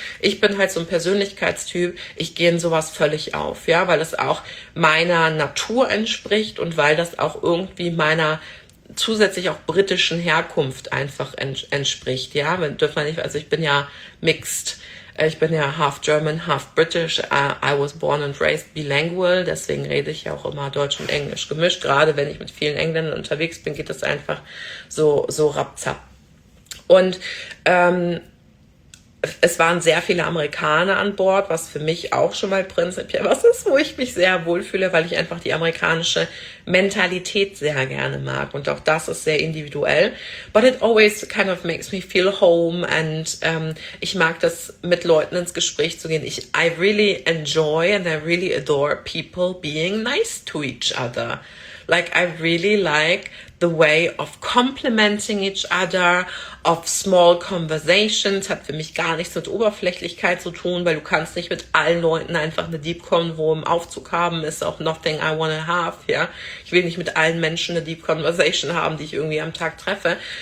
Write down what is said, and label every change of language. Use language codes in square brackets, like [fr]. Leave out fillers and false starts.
[de] Ich bin halt so ein Persönlichkeitstyp, ich gehe in sowas völlig auf, ja, weil das auch meiner Natur entspricht und weil das auch irgendwie meiner zusätzlich auch britischen Herkunft einfach entspricht, ja, ich bin ja mixed. Ich bin ja [en] half German, half British. I was born and raised bilingual. [de] Deswegen rede ich ja auch immer Deutsch und Englisch gemischt. Gerade wenn ich mit vielen Engländern unterwegs bin, geht das einfach so rapzap. Und es waren sehr viele Amerikaner an Bord, was für mich auch schon mal prinzipiell was ist, wo ich mich sehr wohlfühle, weil ich einfach die amerikanische Mentalität sehr gerne mag. Und auch das ist sehr individuell. [en] But it always kind of makes me feel home [de] and ich mag das, mit Leuten ins Gespräch zu gehen. [en] I really enjoy and I really adore people being nice to each other. Like, I really like the way of complimenting each other, of small conversations, [de] hat für mich gar nichts mit Oberflächlichkeit zu tun, weil du kannst nicht mit allen Leuten einfach eine Deep Convo im Aufzug haben, ist auch [en] nothing I wanna have, [de] ja. Ich will nicht mit allen Menschen eine Deep Conversation haben, die ich irgendwie am Tag treffe.